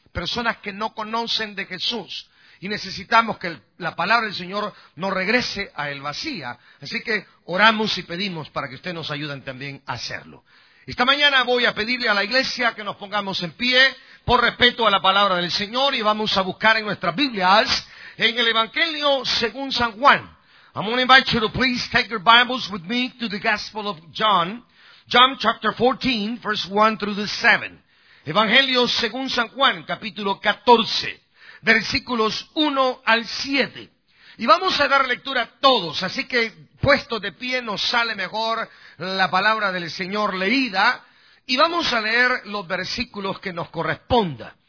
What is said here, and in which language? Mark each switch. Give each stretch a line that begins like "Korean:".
Spanish: Personas que no conocen de Jesús. Y necesitamos que la palabra del Señor no regrese a él vacía. Así que oramos y pedimos para que usted nos ayuden también a hacerlo. Esta mañana voy a pedirle a la iglesia que nos pongamos en pie por respeto a la palabra del Señor. Y vamos a buscar en nuestras Biblias, en el Evangelio según San Juan.
English: I'm going to invite you to please take your Bibles with me to the Gospel of John. John chapter 14, verse 1 through the 7.
Spanish: Evangelio según San Juan, capítulo 14, versículos 1 al 7. Y vamos a dar lectura a todos, así que puesto de pie nos sale mejor la palabra del Señor leída. Y vamos a leer los versículos que nos corresponda.